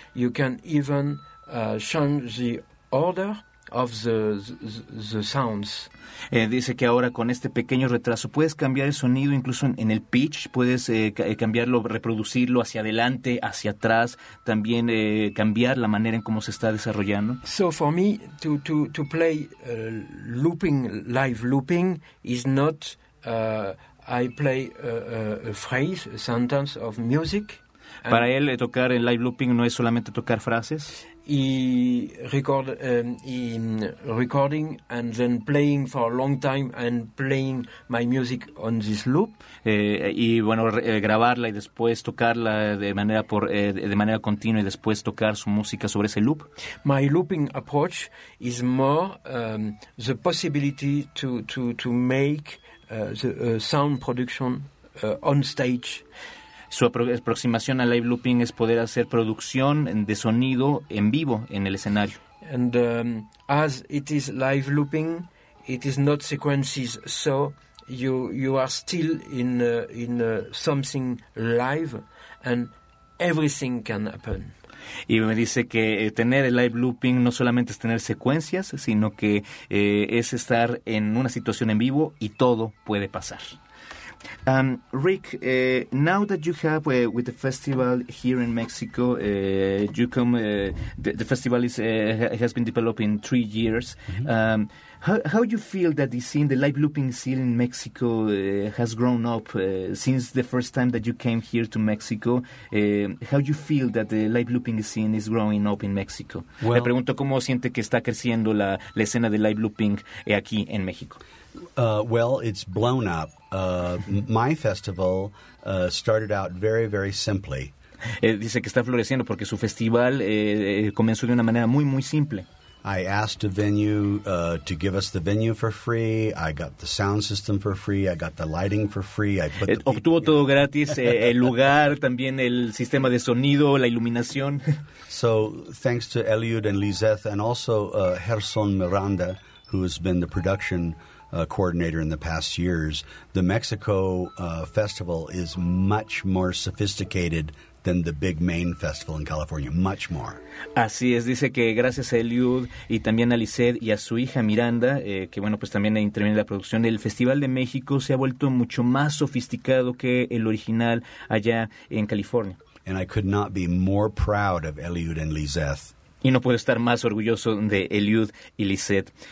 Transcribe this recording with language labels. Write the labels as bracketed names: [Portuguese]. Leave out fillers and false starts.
[English] You can even change the order of the sounds. [Spanish] Dice que ahora, con este pequeño retraso, puedes cambiar el sonido, incluso en el pitch, puedes cambiarlo, reproducirlo hacia adelante, hacia atrás, también cambiar la manera en cómo se está desarrollando. [English] So for me, to play looping, live looping, is not I play a phrase, a sentence of music. [Spanish] Para él, tocar en live looping no es solamente tocar frases. [English] Recording and then playing for a long time and playing my music on this loop. [Spanish] Grabarla y después tocarla de manera continua y después tocar su música sobre ese loop. [English] My looping approach is more the possibility to make the sound production on stage. [Spanish] Su aproximación al live looping es poder hacer producción de sonido en vivo en el escenario. [English] And as it is live looping, it is not sequences, so you are still in something live, and everything can happen. [Spanish] Y me dice que tener el live looping no solamente es tener secuencias, sino que es estar en una situación en vivo y todo puede pasar. [English] Rick, now that you have with the festival here in Mexico, the festival has been developed in 3 years. Mm-hmm. How you feel that the scene, the live looping scene in Mexico, has grown up since the first time that you came here to Mexico? How you feel that the live looping scene is growing up in Mexico? [Spanish] Well, le pregunto cómo siente que está creciendo la escena de live looping aquí en México. [English] Well, it's blown up. My festival started out very, very simply. [Spanish] Dice que está floreciendo porque su festival comenzó de una manera muy, muy simple. [English] I asked a venue to give us the venue for free. I got the sound system for free. I got the lighting for free. I [Spanish] put obtuvo the todo gratis, el lugar, también el sistema de sonido, la iluminación. [English] So thanks to Eliud and Lizeth, and also Gerson Miranda, who has been the production coordinator in the past years, the Mexico festival is much more sophisticated than the big main festival in California, much more. [Spanish] Así es, dice que gracias a Eliud y también a Lizeth y a su hija Miranda, que bueno, pues también interviene la producción, el Festival de México se ha vuelto mucho más sofisticado que el original allá en California. [English] And I could not be more proud of Eliud and Lizeth. [Spanish] Y no puedo estar más orgulloso de Eliud y Lizeth.